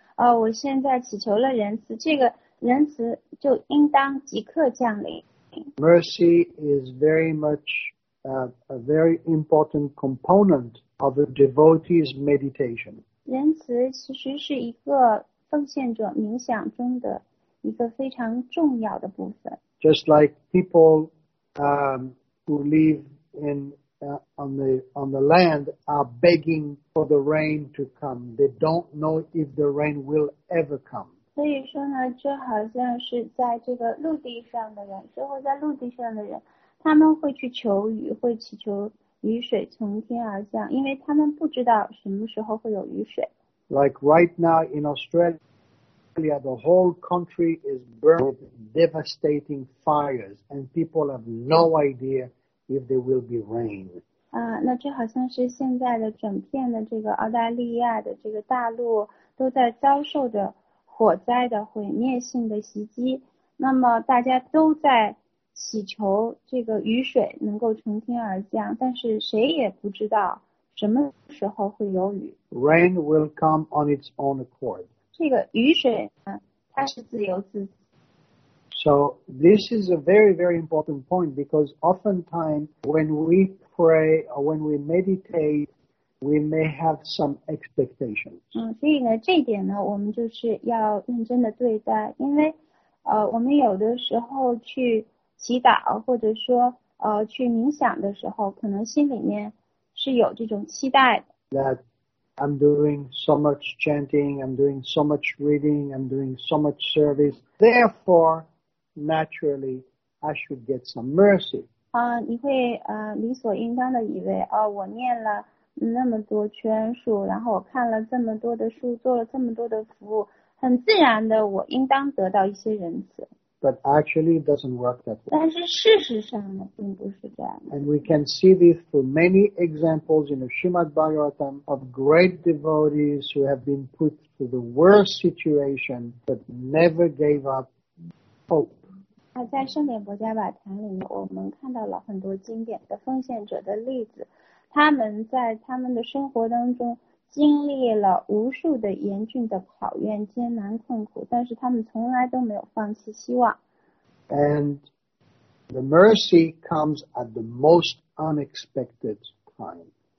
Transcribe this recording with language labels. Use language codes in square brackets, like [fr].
[zh] 我现在祈求了仁慈这个仁慈就应当即刻降临。 [en] Mercy is very much a very important component of a devotee's meditation. [zh] 仁慈其实是一个奉献者冥想中的一个非常重要的部分。 [en] Just like people who live in on the land are begging for the rain to come, they don't know if the rain will ever come. [zh] 所以说呢就好像是在这个陆地上的人生活在陆地上的人他们会去求雨会祈求雨水从天而降因为他们不知道什么时候会有雨水。 [en] Like right now in Australia, the whole country is burned with devastating fires and people have no idea if there will be rain. [zh] 那就好像是现在的整片的这个澳大利亚的这个大陆都在遭受着火灾的毁灭性的袭击那么大家都在祈求这个雨水能够从天而降但是谁也不知道什么时候会有雨 [en] Rain will come on its own accord [zh] 这个雨水它是自由自在 [en] So this is a very very important point because oftentimes when we pray or when we meditateWe may have some expectations. [zh] 所以呢这点呢我们就是要认真的对待因为我们有的时候去祈祷或者说去冥想的时候可能心里面是有这种期待的。 [en] That I'm doing so much chanting, I'm doing so much reading, I'm doing so much service. Therefore, naturally, I should get some mercy. [zh] 你会理所应当的以为我念了那么多圈数然后我看了这么多的书做了这么多的服务很自然的我应当得到一些仁慈 [en] but actually it doesn't work that way. [zh] 但是事实上呢并不是这样。 [en] And we can see this through many examples in the Srimad Bhagavatam of great devotees who have been put to the worst situation but never gave up hope. [zh] 在圣典薄伽瓦坛里我们看到了很多经典的奉献者的例子。他们在他们的生活当中经历了无数的严峻的考验、艰难困苦，但是他们从来都没有放弃希望。 [en] And the mercy comes at the most unexpected time.